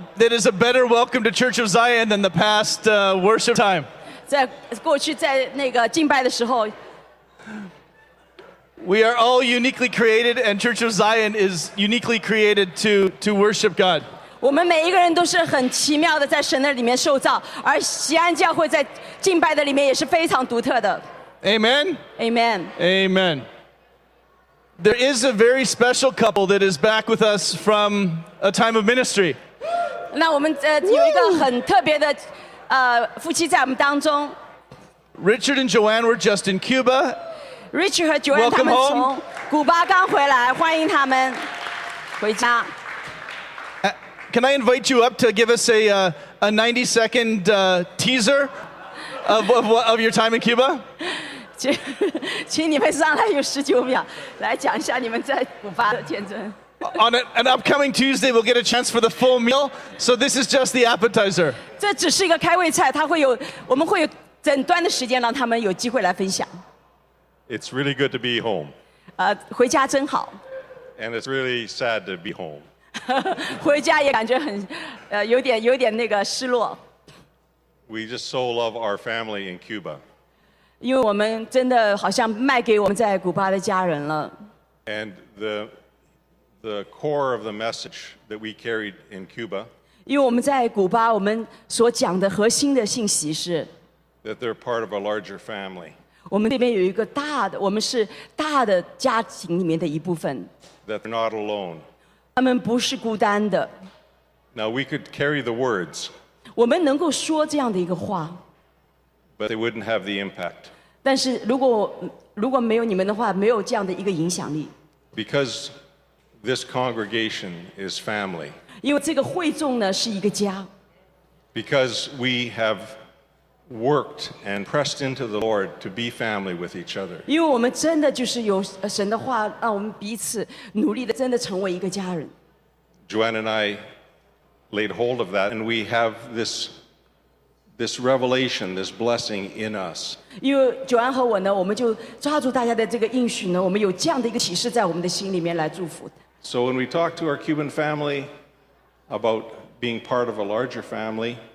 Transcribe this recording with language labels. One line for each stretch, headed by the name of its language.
English: that is a better welcome to Church of Zion than the past worship time.
Chinese: 在过去在那个敬拜的时候
English: We are all uniquely created, and Church of Zion is uniquely created to worship God.
Chinese: 我们每一个人都是很奇妙的在神的里面受造，而锡安教会在敬拜的里面也是非常独特的。
English: Amen. Amen. Amen. There is a very special couple that is back with us from a time of ministry.
Chinese: 那我们有一个很特别的夫妻在我们当中。
English: Richard and Joanne were just in Cuba.
Chinese: Richard 和 Joanne 他们从古巴刚回来，欢迎他们回家。
English: Can I invite you up to give us a 90-second teaser of your time in Cuba?
Chinese: 请你们上来有十九秒来讲一下你们在古巴的见证。
English: On an upcoming Tuesday, we'll get a chance for the full meal. So this is just the appetizer.
Chinese: 这只是一个开胃菜，它会有我们会有整段的时间让他们有机会来分享。
English: It's really good to be home.
Chinese: 回家真好。
English: And it's really sad to be home.
Chinese: 回家也感觉很有点那个失落。
English: We just so love our family in Cuba.
Chinese: 因为我们真的好像卖给我们在古巴的家人了。
English: And the core of the message that we carried in Cuba.
Chinese: 因为我们在古巴，我们所讲的核心的信息是
English: that they're part of a larger family.
Chinese: 我们这边有一个大的，我们是大的家庭里面的一部分。
English: That they're not alone.
Chinese: 他们不是孤单的。
English: Now we could carry the words.
Chinese: 我们能够说这样的一个话。
English: But they wouldn't have the impact.
Chinese: 但是如果没有你们的话，没有这样的一个影响力。
English: Because this congregation is family.
Chinese: 因为这个会众呢是一个家。
English: Because we have worked and pressed into the Lord to be family with each other.
Chinese: 因为我们真的就是有神的话，让我们彼此努力的真的成为一个家人。
English: Joanne and I laid hold of that, and we have this revelation, this blessing in us.
Chinese: 因为 Joanne 和我呢，我们就抓住大家的这个应许呢，我们有这样的一个启示在我们的心里面来祝福。
English: So when we talk to our Cuban family about being part of a larger family,